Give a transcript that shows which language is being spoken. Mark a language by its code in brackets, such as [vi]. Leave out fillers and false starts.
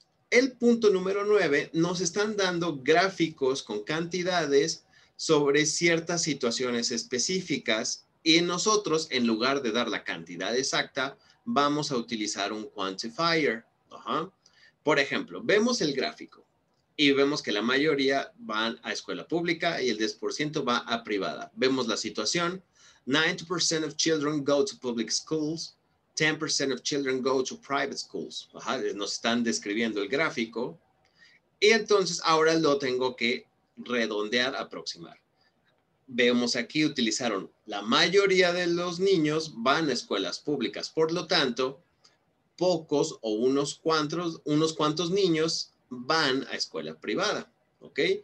[es] El punto número 9, nos están dando gráficos con cantidades sobre ciertas situaciones específicas y nosotros, en lugar de dar la cantidad exacta, vamos a utilizar un quantifier. Ajá. Por ejemplo, vemos el gráfico y vemos que la mayoría van a escuela pública y el 10% va a privada. Vemos la situación. [en] 90% of children go to public schools. 10% of children go to private schools. Ajá. [es] Nos están describiendo el gráfico. Y entonces ahora lo tengo que redondear, aproximar. Vemos aquí utilizaron la mayoría de los niños van a escuelas públicas. Por lo tanto, pocos o unos cuantos niños van a escuela privada. ¿Ok?